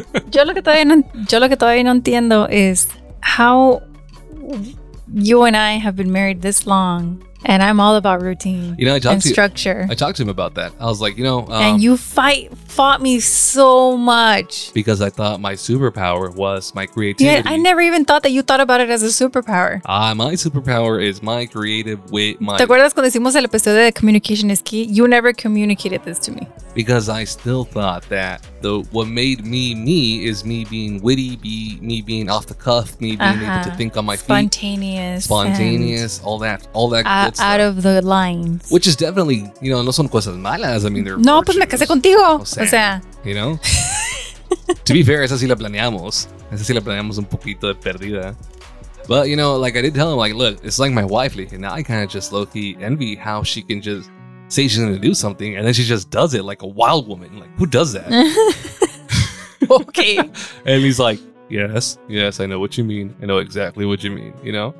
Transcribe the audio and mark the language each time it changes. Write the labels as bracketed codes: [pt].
[es] yo lo que todavía no entiendo [en] is how you and I have been married this long, and I'm all about routine, you know, and structure. I talked to him about that. I was like, you know, and you fought me so much because I thought my superpower was my creativity. Yeah, I never even thought that you thought about it as a superpower. My superpower is my creative wit. [es] ¿Te acuerdas cuando hicimos el episodio de Communication is Key? [en] You never communicated this to me because I still thought that what made me is me being witty, me being off the cuff, me being able to think on my spontaneous feet. Spontaneous. All that. Out of the lines. Which is definitely, you know, [es] no son cosas malas. [en] I mean, they're [es] no, [en] virtues. [es] Pues me casé contigo. O sea. [en] You know? To be fair, [es] esa sí la planeamos. Esa sí la planeamos un poquito de perdida. [en] But, you know, like I did tell him, like, look, it's like my wife, like, now I kind of just low-key envy how she can just say she's going to do something and then she just does it like a wild woman. Like, who does that? Okay. And he's like, yes, I know what you mean. I know exactly what you mean. You know?